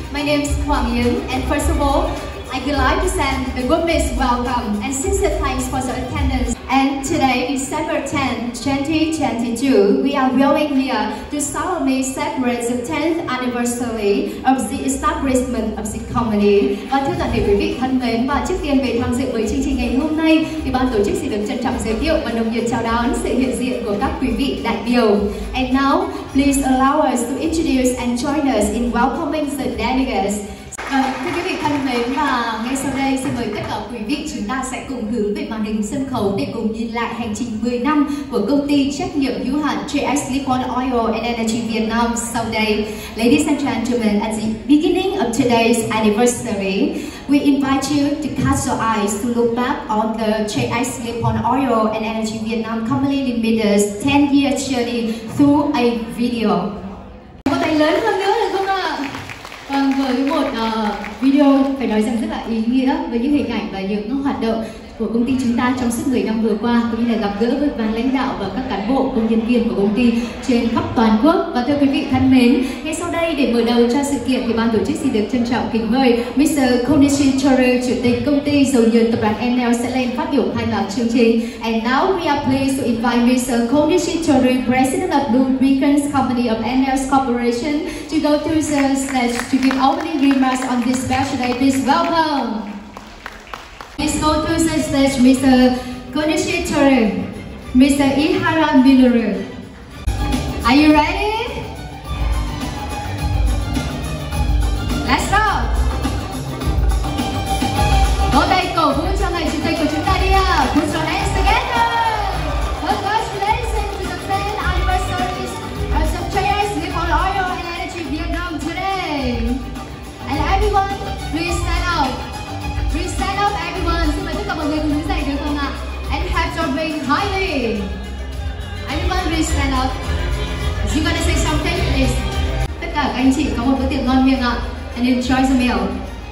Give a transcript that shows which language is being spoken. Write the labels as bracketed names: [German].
[English] My name is Hoang Yen, and first of all, I'd like to send the warmest welcome and sincere thanks for the attendance. And today, December 10, 2022, we are willing here to solemnly celebrate the 10th anniversary of the establishment of the company. [Vietnamese] Và thưa toàn thể quý vị thân mến, và trước tiên về tham dự với chương trình ngày hôm nay, thì ban tổ chức xin được trân trọng giới thiệu và nồng nhiệt chào đón sự hiện diện của các quý vị đại biểu. [English] And now, please allow us to introduce and join us in welcoming the delegates. [Vietnamese] Thưa quý vị thân mến, và ngay sau đây xin mời tất cả quý vị, chúng ta sẽ cùng hướng về màn hình sân khấu để cùng nhìn lại hành trình 10 năm của công ty trách nhiệm hữu hạn JS Nippon Oil and Energy Vietnam sau đây. [English] Ladies and gentlemen, at the beginning of today's anniversary, we invite you to cast your eyes to look back on the JS Nippon Oil and Energy Vietnam Company Limited's 10-year journey through a video. [Vietnamese] Một tay lớn hơn nữa được không ạ? Vâng, với một video phải nói rằng rất là ý nghĩa với những hình ảnh và những hoạt động của công ty chúng ta trong suốt 10 năm vừa qua, cũng như là gặp gỡ với ban lãnh đạo và các cán bộ công nhân viên của công ty trên khắp toàn quốc. Và thưa quý vị thân mến, ngay sau đây để mở đầu cho sự kiện thì ban tổ chức xin được trân trọng kính mời Mr. Konishin Choru, chủ tịch công ty dầu nhiệt tập đoàn Enel sẽ lên phát biểu khai mạc chương trình. [English] And now we are pleased to invite Mr. Konishin Choru, president of Blue Beacons Company of Enel Corporation, to go to the stage to give opening remarks on this special day. Please welcome. Let's go to the stage, Mr. Konishin Choru, Mr. Ihara Minoru. Are you ready? Let's go! [Vietnamese] Vỗ tay cổ vũ cho ngài chủ tịch của chúng ta đi ạ! [English] Put your hands together! Congratulations to the 10th anniversary of the JS Nippon Oil and Energy Vietnam today! And everyone, please stand up! Please stand up, everyone. [Vietnamese] Xin mời tất cả mọi người cùng đứng dậy được không ạ? [English] And have your drink highly. Anyone, please stand up. You gonna say something, please. [Vietnamese] Tất cả các anh chị có một bữa tiệc ngon miệng ạ. [English] And enjoy the meal.